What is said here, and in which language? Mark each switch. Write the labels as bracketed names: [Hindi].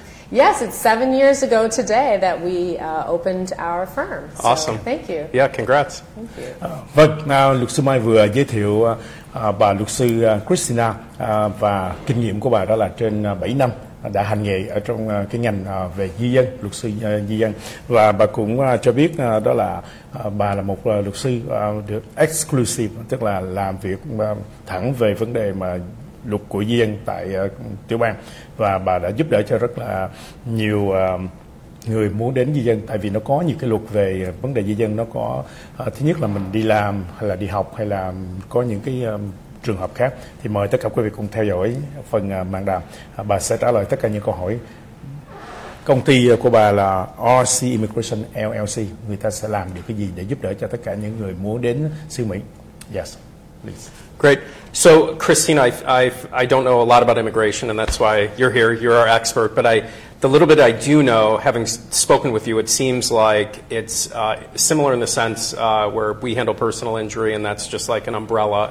[English] Yes, it's 7 years ago today that we opened our firm. So awesome. Thank you. Yeah, congrats. Thank you. [Vietnamese] Vâng, luật sư Mai vừa giới thiệu bà luật sư Christina và kinh nghiệm của bà đó là trên 7 năm đã hành nghề ở trong cái ngành về di dân, luật sư di dân. Và bà cũng cho biết đó là bà là một luật sư được exclusive, tức là làm việc thẳng về vấn đề mà luật của di dân tại tiểu bang, và bà đã giúp đỡ cho rất là nhiều người muốn đến di dân, tại vì nó có nhiều cái luật về vấn đề di dân. Nó có thứ nhất là mình đi làm hay là đi học hay là có những cái trường hợp khác. Thì mời tất cả quý vị cùng theo dõi phần màn đàm, bà sẽ trả lời tất cả những câu hỏi. Công ty của bà là RC Immigration LLC, người ta sẽ làm được cái gì để giúp đỡ cho tất cả những người muốn đến xứ Mỹ? [English] Yes, please. Great. So, Christina, I don't know a lot about immigration, and that's why you're here. You're our expert. But the little bit I do know, having spoken with you, it seems like it's similar in the sense where we handle personal injury, and that's just like an umbrella.